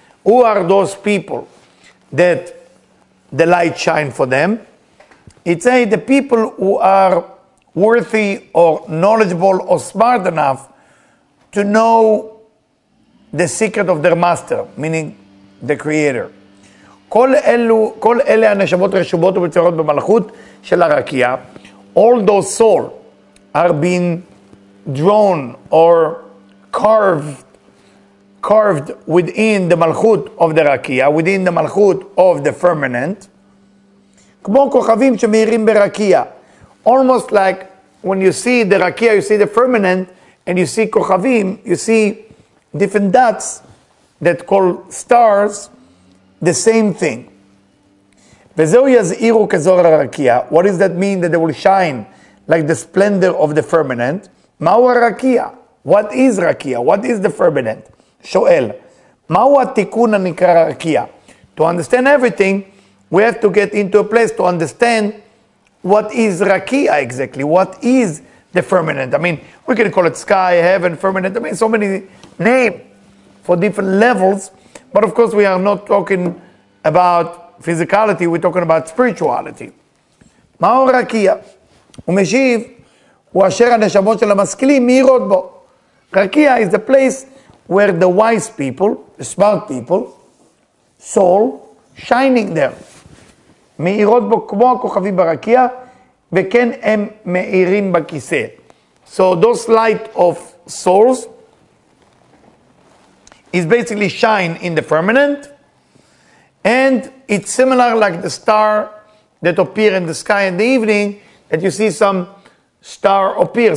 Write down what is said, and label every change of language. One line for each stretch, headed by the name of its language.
English: Who are those people that the light shine for them? It's say the people who are worthy or knowledgeable or smart enough to know the secret of their master, meaning the creator.
Hebrew: כל אלה הנשמות רשומות ומצוירות במלכות של הרקיע.
English: All those souls are being drawn or carved within the מלכות of the רקיע, within the מלכות of the firmament.
Hebrew: כמו כוכבים שמאירים ברקיע.
English: Almost like when you see the רקיע, you see the firmament, and you see כוכבים, you see different dots that call stars, the same thing.
Hebrew: וזהו יזהירו כזור הרקיע.
English: What does that mean? That they will shine like the splendor of the firmament.
Hebrew: מהו הרקיע?
English: What is רקיע? What is the firmament?
Hebrew: שואל. מהו התיקון הנקרא הרקיע?
English: To understand everything, we have to get into a place to understand what is רקיע exactly. What is the firmament? I mean, we can call it sky, heaven, firmament. I mean, so many names for different levels. But of course, we are not talking about physicality, we're talking about spirituality.
Hebrew: מהו רקיע? הוא משיב, הוא אשר הנשמות של המשכילים מאירות בו. רקיע
English: is the place were the wise people, the smart people, Saul, shining there.
Hebrew: מאירות בו כמו הכוכבים ברקיע, וכן הם מאירים בכיסא.
English: So those light of Saul's is basically shine in the firmament, and it's similar like the star that appear in the sky in the evening, that you see some star appear.